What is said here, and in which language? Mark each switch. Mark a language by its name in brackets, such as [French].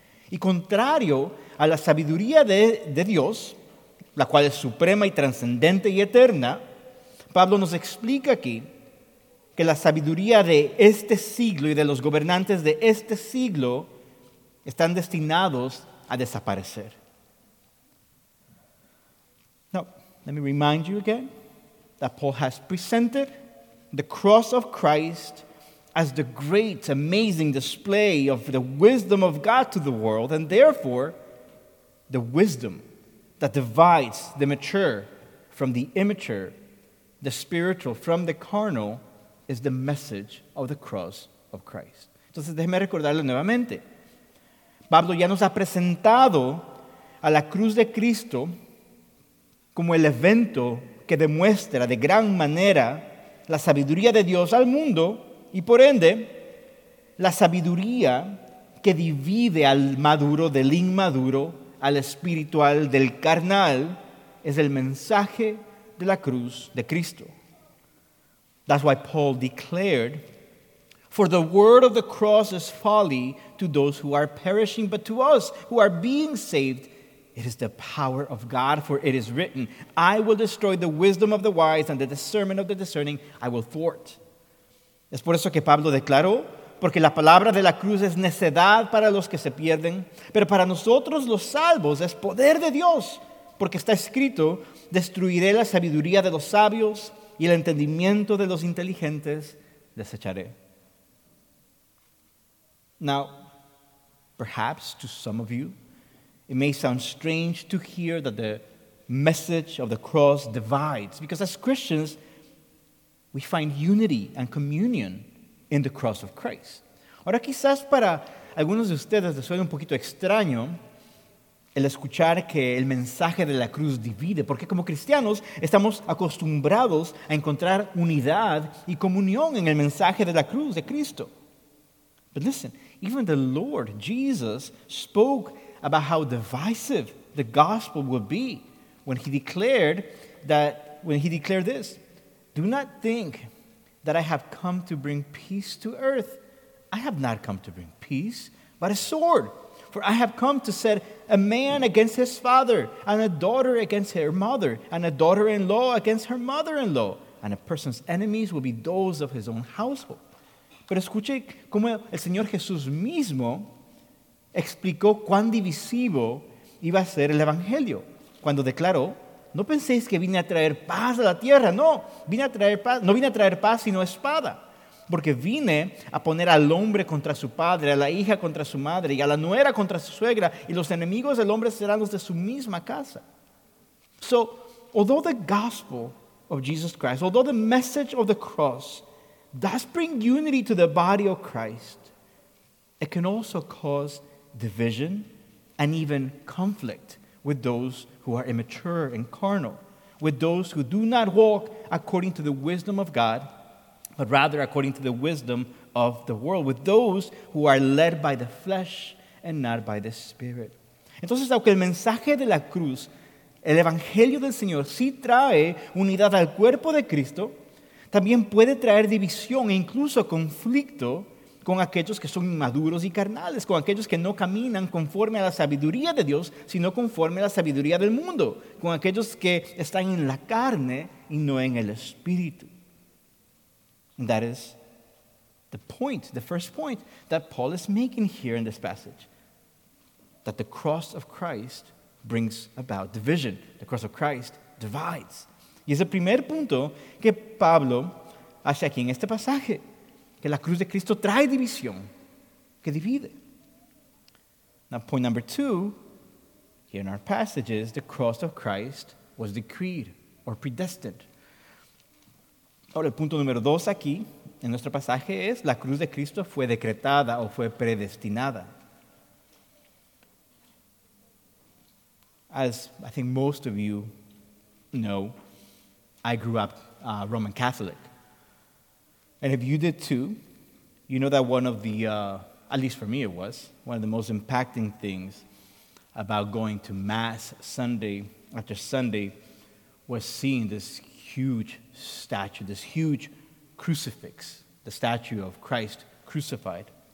[Spanish] Y contrario a la sabiduría de Dios, la cual es suprema y trascendente y eterna, Pablo nos explica aquí que la sabiduría de este siglo y de los gobernantes de este siglo están destinados a desaparecer. [English] Now, let me remind you again that Paul has presented the cross of Christ as the great, amazing display of the wisdom of God to the world, and therefore, the wisdom that divides the mature from the immature, the spiritual from the carnal, is the message of the cross of Christ. [Spanish] Entonces, déjeme recordarlo nuevamente. Pablo ya nos ha presentado a la cruz de Cristo como el evento que demuestra de gran manera la sabiduría de Dios al mundo y, por ende, la sabiduría que divide al maduro del inmaduro, al espiritual del carnal, es el mensaje de la cruz de Cristo. [English] That's why Paul declared, "For the word of the cross is folly to those who are perishing, but to us who are being saved, it is the power of God, for it is written, 'I will destroy the wisdom of the wise, and the discernment of the discerning I will thwart.'" [Spanish] Es por eso que Pablo declaró, porque la palabra de la cruz es necedad para los que se pierden, pero para nosotros los salvos es poder de Dios, porque está escrito, destruiré la sabiduría de los sabios y el entendimiento de los inteligentes desecharé. [English] Now, perhaps to some of you, it may sound strange to hear that the message of the cross divides, because as Christians, we find unity and communion in the cross of Christ. [Spanish] Ahora quizás para algunos de ustedes les suene un poquito extraño el escuchar que el mensaje de la cruz divide, porque como cristianos estamos acostumbrados a encontrar unidad y comunión en el mensaje de la cruz de Cristo. [English] But listen, even the Lord Jesus spoke about how divisive the gospel would be when he declared that, when he declared this, "Do not think that I have come to bring peace to earth. I have not come to bring peace, but a sword. For I have come to set a man against his father, and a daughter against her mother, and a daughter-in-law against her mother-in-law. And a person's enemies will be those of his own household." [Spanish] Pero escuche cómo el Señor Jesús mismo explicó cuán divisivo iba a ser el Evangelio cuando declaró, "No penséis que vine a traer paz a la tierra. No, vine a traer paz. No vine a traer paz, sino espada. Porque vine a poner al hombre contra su padre, a la hija contra su madre, y a la nuera contra su suegra, y los enemigos del hombre serán los de su misma casa." [English] So, although the gospel of Jesus Christ, although the message of the cross does bring unity to the body of Christ, it can also cause division and even conflict with those who are immature and carnal, with those who do not walk according to the wisdom of God, but rather according to the wisdom of the world, with those who are led by the flesh and not by the Spirit. [Spanish] Entonces, aunque el mensaje de la cruz, el Evangelio del Señor, sí trae unidad al cuerpo de Cristo, también puede traer división e incluso conflicto con aquellos que son inmaduros y carnales, con aquellos que no caminan conforme a la sabiduría de Dios, sino conforme a la sabiduría del mundo, con aquellos que están en la carne y no en el espíritu. [English] And that is the point, the first point that Paul is making here in this passage, that the cross of Christ brings about division. The cross of Christ divides. [Spanish] Y es el primer punto que Pablo hace aquí en este pasaje, que la cruz de Cristo trae división, que divide. [English] Now, point number two, here in our passages, the cross of Christ was decreed or predestined. [Spanish] Ahora, el punto número dos aquí, en nuestro pasaje, es la cruz de Cristo fue decretada o fue predestinada. [English] As I think most of you know, I grew up Roman Catholic. And if you did too, you know that one of the, at least for me it was, one of the most impacting things about going to Mass Sunday after Sunday was seeing this huge statue, this huge crucifix, the statue of Christ crucified.